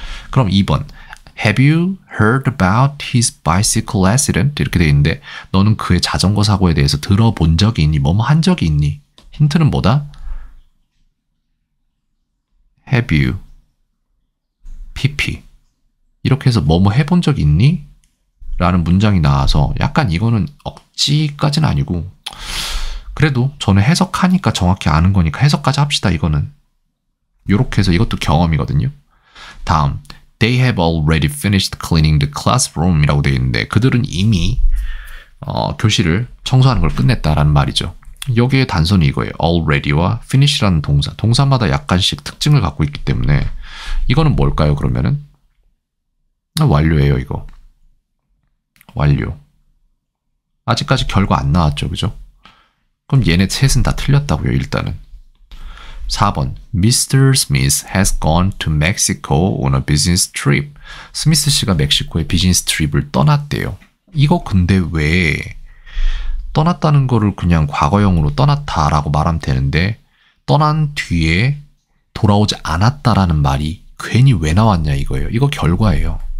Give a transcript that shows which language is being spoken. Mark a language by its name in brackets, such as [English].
[English] 그럼 2번 Have you heard about his bicycle accident? [Korean] 이렇게 돼 있는데 너는 그의 자전거 사고에 대해서 들어본 적이 있니? 뭐뭐 한 적이 있니? 힌트는 뭐다? [English] Have you? [Korean] PP 이렇게 해서 뭐뭐 해본 적 있니? 라는 문장이 나와서 약간 이거는 억지까지는 아니고 그래도 저는 해석하니까 정확히 아는 거니까 해석까지 합시다. 이거는 이렇게 해서 이것도 경험이거든요. 다음 [English] They have already finished cleaning the classroom [Korean] 이라고 되어 있는데 그들은 이미 교실을 청소하는 걸 끝냈다라는 말이죠. 여기에 단서는 이거예요. already와 finish라는 동사. 동사마다 약간씩 특징을 갖고 있기 때문에 이거는 뭘까요? 그러면은 완료예요. 이거 완료. 아직까지 결과 안 나왔죠. 그죠? 그럼 얘네 셋은 다 틀렸다고요. 일단은. 4번 Mr. [English] Smith has gone to Mexico on a business trip. [Korean] 스미스 씨가 멕시코에 비즈니스 트립을 떠났대요. 이거 근데 왜 떠났다는 거를 그냥 과거형으로 떠났다라고 말하면 되는데 떠난 뒤에 돌아오지 않았다라는 말이 괜히 왜 나왔냐 이거예요. 이거 결과예요.